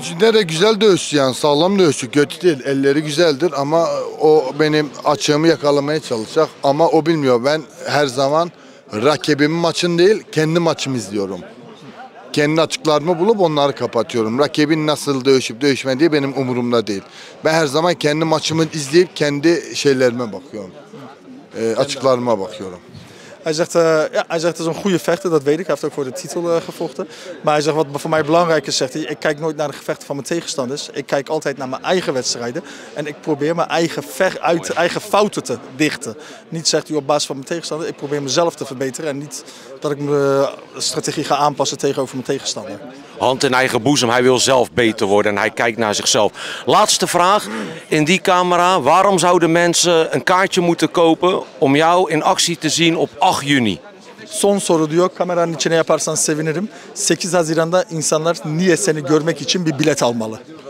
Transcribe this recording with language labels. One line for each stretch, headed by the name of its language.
Turkish: İçinde de güzel dövüşü yani sağlam dövüşü. Kötü değil. Elleri güzeldir ama o benim açığımı yakalamaya çalışacak. Ama o bilmiyor. Ben her zaman rakibimin maçın değil kendi maçımı izliyorum. Kendi açıklarımı bulup onları kapatıyorum. Rakibin nasıl dövüşüp dövüşmediği benim umurumda değil. Ben her zaman kendi maçımı izleyip kendi şeylerime bakıyorum. Açıklarıma bakıyorum.
Dutch: Hij zegt, ja, hij zegt het is een goede vechter, dat weet ik. Hij heeft ook voor de titel gevochten. Maar hij zegt, wat voor mij belangrijk is, zegt hij, ik kijk nooit naar de gevechten van mijn tegenstanders. Ik kijk altijd naar mijn eigen wedstrijden. En ik probeer mijn eigen fouten te dichten. Niet, zegt hij, op basis van mijn tegenstander. Ik probeer mezelf te verbeteren. En niet dat ik mijn strategie ga aanpassen tegenover mijn tegenstander. Hand in eigen boezem. Hij wil zelf beter worden. En hij kijkt naar zichzelf. Laatste vraag in die camera. Waarom zouden mensen een kaartje moeten kopen om jou in actie te zien op 8 juni?
Turkish: Son soru diyor. Kameranın içine yaparsan sevinirim. 8 Haziran'da insanlar niye seni görmek için bir bilet almalı?